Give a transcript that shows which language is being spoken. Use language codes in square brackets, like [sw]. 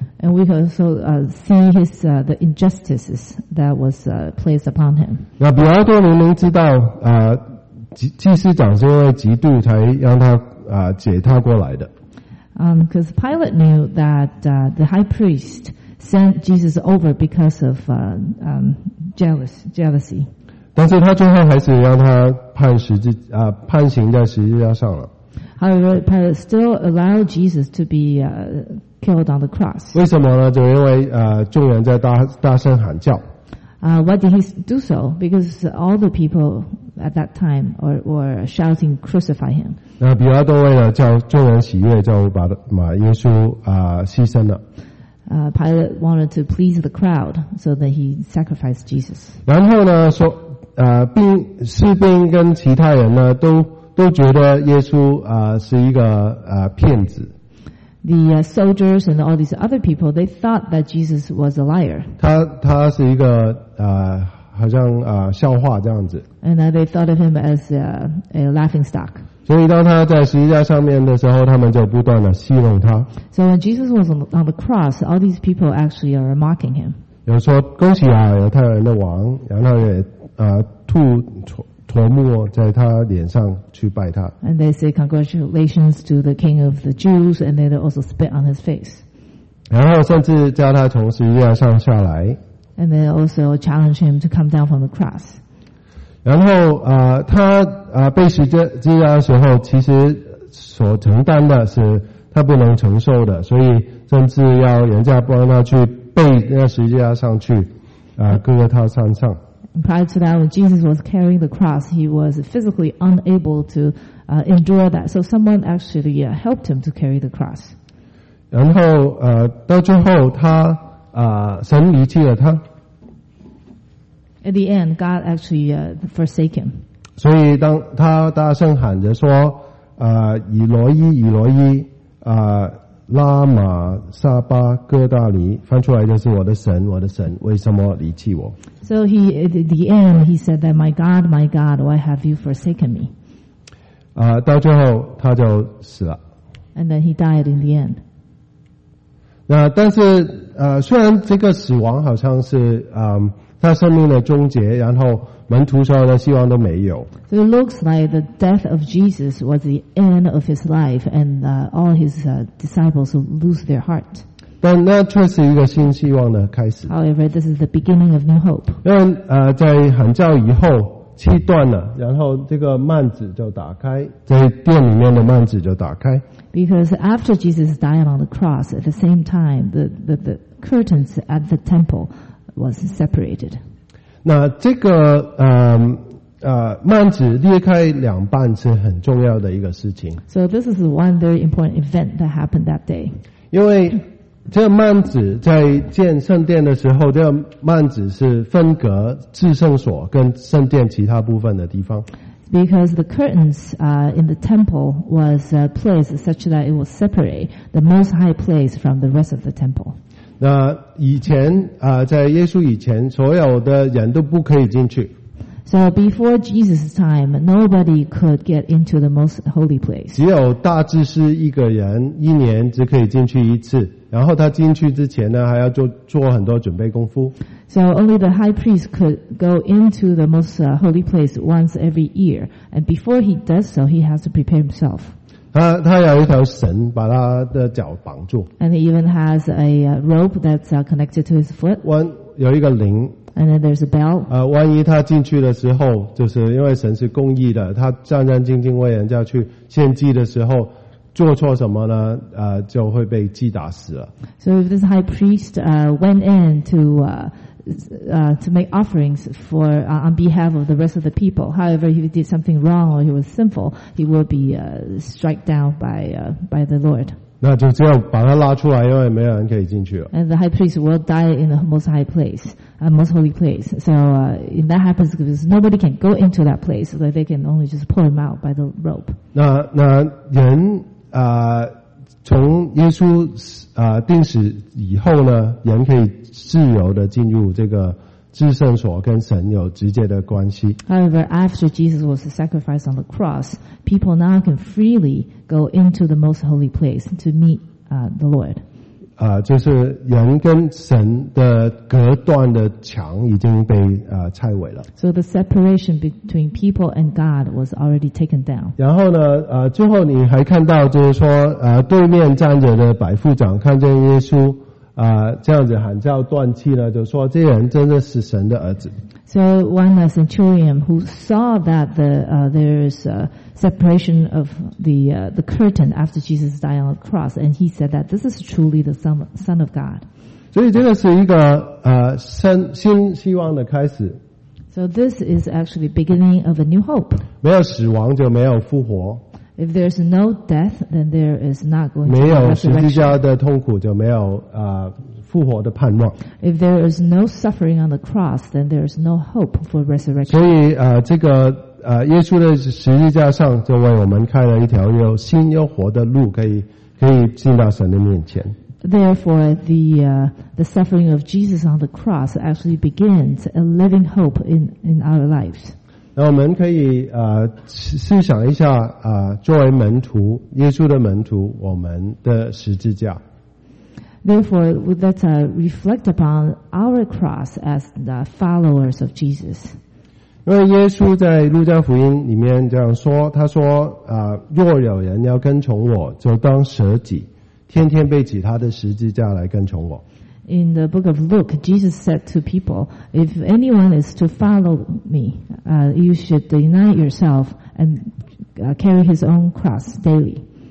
[en] And we can also see his the injustices that was placed upon him. [zh] 那比奥多明明知道祭司长是因为嫉妒才让他解他过来的。 [en] Because Pilate knew that the high priest sent Jesus over because of jealousy. [zh] 但是他最后还是让他判刑在十字架上了。 [en] However, Pilate still allowed Jesus to be killed on the cross. [zh] 为什么呢？就因为众人在大声喊叫。 [en] Why did he do so? Because all the people at that time were shouting, "Crucify him." [zh] 那比拉多为了叫众人喜悦，就把耶稣牺牲了。 [en] Pilate wanted to please the crowd, so that he sacrificed Jesus. [zh] 然后呢，说士兵跟其他人呢都觉得耶稣是一个骗子。 [en] The soldiers and all these other people, they thought that Jesus was a liar. [zh] 他是一个好像笑话这样子。 [en] And they thought of him as a laughing stock. [zh] 所以当他在十字架上面的时候，他们就不断的戏弄他。 [en] So when Jesus was on the cross, all these people actually are mocking him. [zh] 有说恭喜啊，犹太人的王，然后也吐唾沫在他脸上去拜他。 [en] And they say congratulations to the king of the Jews, and they also spit on his face. [zh] 然后甚至叫他从十字架上下来。 [en] And they also challenge him to come down from the cross. [zh] 然后他被十字架的时候，其实所承担的是他不能承受的，所以甚至要人家帮他去背那十字架上去，搁在他身上。 [en] Prior to that, when Jesus was carrying the cross, he was physically unable to endure that. So someone actually helped him to carry the cross. [zh] 然后到最后他神离弃了他。 [en] At the end, God actually forsake him. [zh] 所以当他大声喊着说以罗伊以罗伊拉玛撒巴哥大尼，翻出来就是我的神，我的神，为什么离弃我 [en] ？So he at the end he said that my God, my God, why have you forsaken me？ [zh] 到最后他就死了。 [en] And then he died in the end。 [zh] 那但是虽然这个死亡好像是他生命的终结，然后门徒所有的希望都没有。 [en] So it looks like the death of Jesus was the end of his life, and all his disciples lose their heart. [zh] 但那确实一个新希望的开始。 [en] However, this is the beginning of new hope. [zh] 因为在喊叫以后，气断了，然后这个幔子就打开，在殿里面的幔子就打开。 [en] Because after Jesus died on the cross, at the same time, the curtains at the temple was separated. [zh] 那这个幔子裂开两半是很重要的一个事情。 [en] So this is one very important event that happened that day. [zh] 因为这个幔子在建圣殿的时候，这个幔子是分隔至圣所跟圣殿其他部分的地方。 [en] Because the curtains in the temple was placed such that it would separate the most high place from the rest of the temple. [zh] 那以前在耶稣以前，所有的人都不可以进去。 [en] So before Jesus' time, nobody could get into the most holy place. [zh] 只有大祭司一个人，一年只可以进去一次。然后他进去之前呢，还要做很多准备功夫。 [en] So only the high priest could go into the most holy place once every year, and before he does so, he has to prepare himself. [zh] 他有一条绳把他的脚绑住。 [en] And he even has a rope that's connected to his foot. [zh] 有一个铃。 [en] And then there's a bell. [zh] 万一他进去的时候，就是因为神是公义的，他战战兢兢为人家去献祭的时候，做错什么呢？就会被击打死了。 [en] So if this high priest went in to to make offerings for on behalf of the rest of the people. However, if he did something wrong or he was sinful, he will be struck down by the Lord. [zh] 那就只有把他拉出来，因为没有人可以进去了。 [en] And the high priest will die in the most high place, a most holy place. So if that happens, because nobody can go into that place, so they can only just pull him out by the rope. [zh] 那人从耶稣钉死以后呢，人可以自由的进入这个至圣所，跟神有直接的关系。 [en] However, after Jesus was sacrificed on the cross, people now can freely go into the most holy place to meet the Lord. [zh] 就是人跟神的隔断的墙已经被拆毁了。 [en] So the separation between people and God was already taken down. [zh] 然后呢，最后你还看到就是说，对面站着的百夫长看见耶稣。这样子喊叫断气了，就说这人真的是神的儿子。 [en] So one centurion who saw that there is a separation of the curtain after Jesus died on the cross, and he said that this is truly the son of God. [zh] 所以这个是一个新希望的开始。 [en] So this is actually beginning of a new hope. [zh] 没有死亡就没有复活。 [en] If there's no death, then there is not going to be resurrection. [zh] 没有十字架的痛苦，就没有复活的盼望。 [en] If there is no suffering on the cross, then there is no hope for resurrection. [zh] 所以这个耶稣的十字架上就为我们开了一条又新又活的路，可以进到神的面前。 [en] Therefore, the suffering of Jesus on the cross actually begins a living hope in our lives. [zh] 那我们可以思想一下作为门徒，耶稣的门徒，我们的十字架。 [en] Therefore, let's reflect upon our cross as the followers of Jesus. [zh] 因为耶稣在路加福音里面这样说，他说若有人要跟从我，就当舍己，天天背起他的十字架来跟从我。 [en] In the book of Luke, Jesus said to people, if anyone is to follow me, you should deny yourself and carry his own cross daily.